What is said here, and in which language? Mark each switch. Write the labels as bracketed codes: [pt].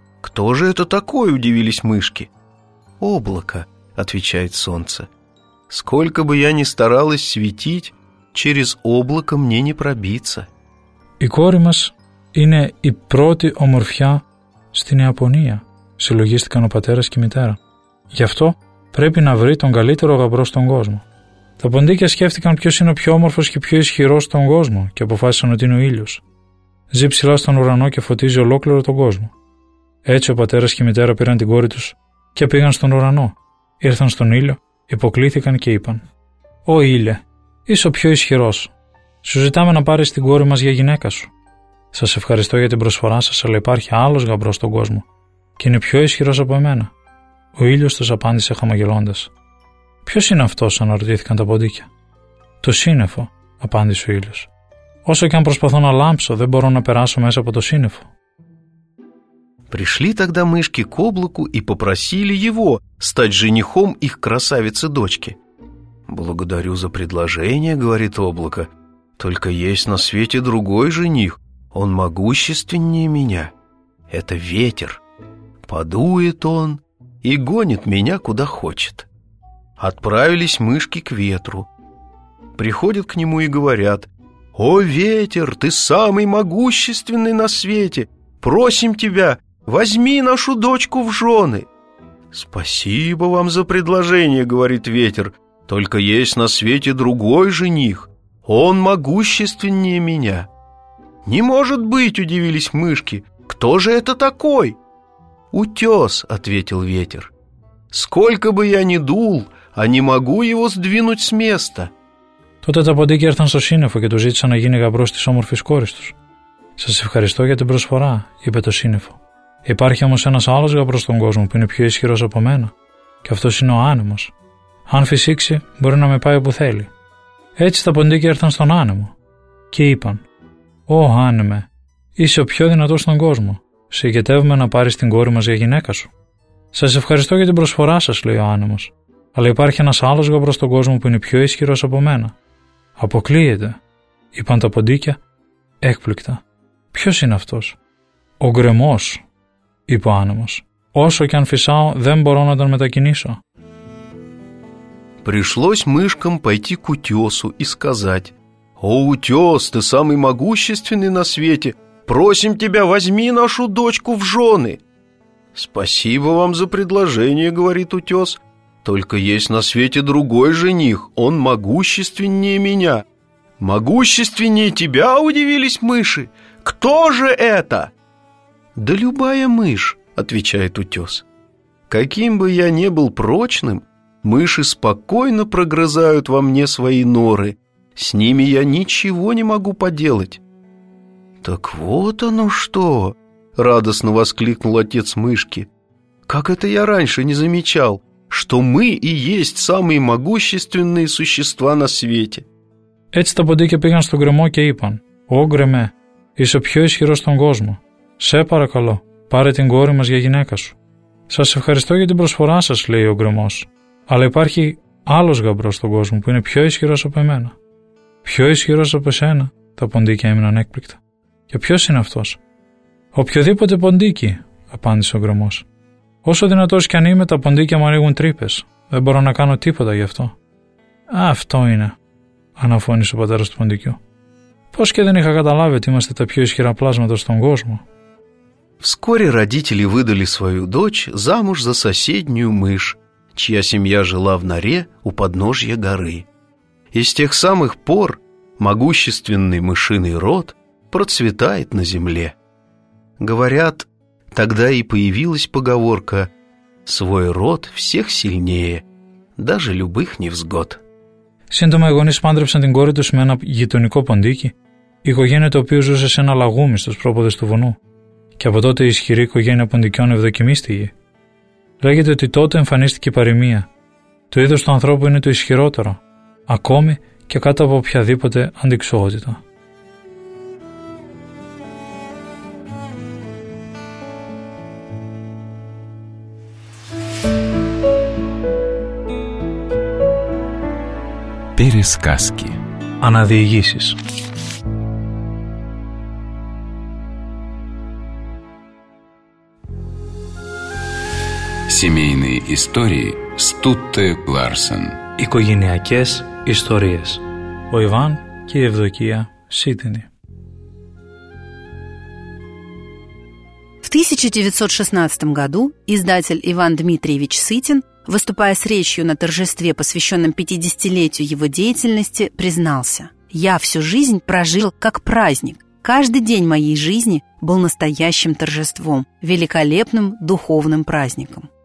[ru] «Кто же это такой?» — удивились мышки. «Облако», — отвечает солнце. «Сколько бы я ни старалась светить, через облако мне не пробиться». [el] «И кори мас ине и проти оморфья стин Япония», — συλλογίστηκαν ο πατέρας και η μητέρα. «Γι' αυτό πρέπει να βρει τον καλύτερο γαμπρό στον κόσμο». Τα ποντίκια σκέφτηκαν ποιος είναι ο πιο όμορφος και πιο ισχυρός στον κόσμο και αποφάσισαν ότι είναι ο ήλιος. Ζει ψηλά στον ουρανό και φωτίζει ολόκληρο τον κόσμο. Έτσι ο πατέρας και η μητέρα πήραν την κόρη τους και πήγαν στον ουρανό. Ήρθαν στον ήλιο, υποκλήθηκαν και είπαν: «Ω ήλε, είσαι ο πιο ισχυρός. Σου ζητάμε να πάρεις την κόρη μας για γυναίκα σου. Σας ευχαριστώ για την προσφορά σας, αλλά υπάρχει άλλος γαμπρός στον κόσμο και είναι πιο ισχυρός από εμένα». Ο ήλιος τους απάντησε χαμογελώντας. «Ποιος είναι αυτός?» αναρωτήθηκαν τα ποντίκια. «Το σύννεφο», απάντησε ο ήλιος. «Όσο και αν προσπαθώ να λάμψω, δεν μπορώ να περάσω μέσα από το σύννεφο». [ru] Пришли тогда мышки к облаку и попросили его стать женихом их красавицы дочки. «Благодарю за предложение», — говорит облако. «Только есть на свете другой жених. Он могущественнее меня. Это ветер. Подует он и гонит меня куда хочет». Отправились мышки к ветру. Приходят к нему и говорят: «О, ветер, ты самый могущественный на свете! Просим тебя, возьми нашу дочку в жены!» «Спасибо вам за предложение», — говорит ветер, «только есть на свете другой жених, он могущественнее меня». «Не может быть», — удивились мышки, «кто же это такой?» «Утес», — ответил ветер. «Сколько бы я ни дул, а не могу его сдвинуть с места». [el] Τότε τα ποντίκια ήρθαν στο σύννεφο και του ζήτησαν να γίνει γαμπρός της όμορφης κόρης τους. «Σας ευχαριστώ για την προσφορά», είπε το σύννεφο. «Υπάρχει όμως ένας άλλος γαμπρός στον κόσμο που είναι πιο ισχυρός από μένα, και αυτός είναι ο άνεμος. Αν φυσήξει, μπορεί να με πάει όπου θέλει». Έτσι τα ποντίκια ήρθαν στον άνεμο και είπαν: «Ω άνεμε, είσαι ο πιο δυνατός στον κόσμο. Σε ηγετεύουμε να πάρεις την κόρη μας για γυναίκα σου». «Σας ευχαριστώ για την προσφορά σας», λέει ο άνεμος. «Αλλά υπάρχει ένας άλλος γαμπρός στον κόσμο που είναι πιο ισχυρός από μένα». «Αποκλείεται», είπαν τα ποντίκια έκπληκτα. «Ποιος είναι αυτός?» «Ο γκρεμός», είπε ο άνεμος. «Όσο κι αν φυσάω, δεν μπορώ να τον μετακινήσω». [ru] Пришлось мышкам пойти к утесу и сказать: «О, утес, ты самый могущественный на свете! Просим тебя, возьми нашу дочку в жены!» «Спасибо вам за предложение», — говорит утес. «Только есть на свете другой жених, он могущественнее меня». «Могущественнее тебя?» — удивились мыши. «Кто же это?» «Да любая мышь», — отвечает утес. «Каким бы я ни был прочным, мыши спокойно прогрызают во мне свои норы. С ними я ничего не могу поделать». «Так вот оно что!» — радостно воскликнул отец мышки. «Как это я раньше не замечал, что мы и есть самые могущественные существа на свете!» [el] Έτσι τα ποντίκια πήγαν στον γκρεμό και είπαν: «Ω γκρεμέ, είσαι ο πιο ισχυρός στον κόσμο. Σε παρακαλώ, πάρε την κόρη μας για γυναίκα σου». «Σας ευχαριστώ για την προσφορά σας», λέει ο γκρεμός. «Αλλά υπάρχει άλλος γαμπρός στον κόσμο που είναι πιο ισχυρός από εμένα». «Πιο ισχυρός από εσένα?» τα ποντίκια έμειναν έκπληκτα. «Και ποιος είναι αυτός?» «Οποιοδήποτε ποντίκι», απάντησε ο γκρεμός. «Όσο δυνατός κι αν είμαι, τα ποντίκια μου ανοίγουν τρύπες. Δεν μπορώ να κάνω τίποτα γι' αυτό». «Α, αυτό είναι», αναφώνησε ο πατέρας του ποντικιού. «Πώς και δεν είχα καταλάβει ότι είμαστε τα πιο ισχυρά πλάσματα στον κόσμο». [ru] Вскоре родители выдали свою дочь замуж за соседнюю мышь, чья семья жила в норе у подножья горы. И с тех самых пор могущественный мышиный род процветает на земле. Говорят, тогда и появилась поговорка: «Свой род всех сильнее, даже любых невзгод». [el] Σύντομα οι γονείς πάντρεψαν την κόρη τους με ένα γειτονικό ποντίκι, η οικογένεια το οποίο ζούσε σε ένα λαγούμι στους πρόποδες του βουνού. Και από τότε η ισχυρή οικογένεια ποντικιών ευδοκιμήστηκε. Λέγεται ότι τότε εμφανίστηκε η παροιμία: «Το είδος του ανθρώπου είναι το ισχυρότερο, ακόμη και κάτω από οποιαδήποτε αντιξοότητα». [ru] Пересказки. [el] Αναδιηγήσεις. [ru] Семейные истории Стутте Ларсен. [el] Οικογενειακές ιστορίες. Ο Ιβάν και η Ευδοκία Σίτινη. [ru] В 1916 году издатель Иван Дмитриевич Сытин, выступая с речью на торжестве, посвященном 50-летию его деятельности, признался: «Я всю жизнь прожил как праздник. Каждый день моей жизни был настоящим торжеством, великолепным духовным праздником».